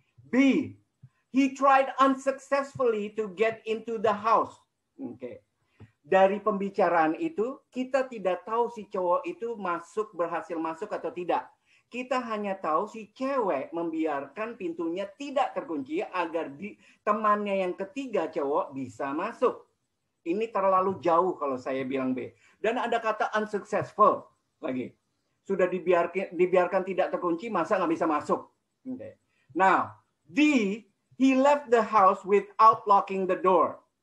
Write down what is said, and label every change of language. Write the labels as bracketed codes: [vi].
[en] B, he tried unsuccessfully to get into the house. Okay. [id] dari pembicaraan itu, kita tidak tahu si cowok itu masuk, berhasil masuk atau tidak. Kita hanya tahu si cewek membiarkan pintunya tidak terkunci agar temannya yang ketiga cowok bisa masuk. Ini terlalu jauh kalau saya bilang B. Dan ada kata unsuccessful lagi. Sudah dibiarkan tidak terkunci, masa nggak bisa masuk? [en] Okay. Now, D, he left the house without locking the door.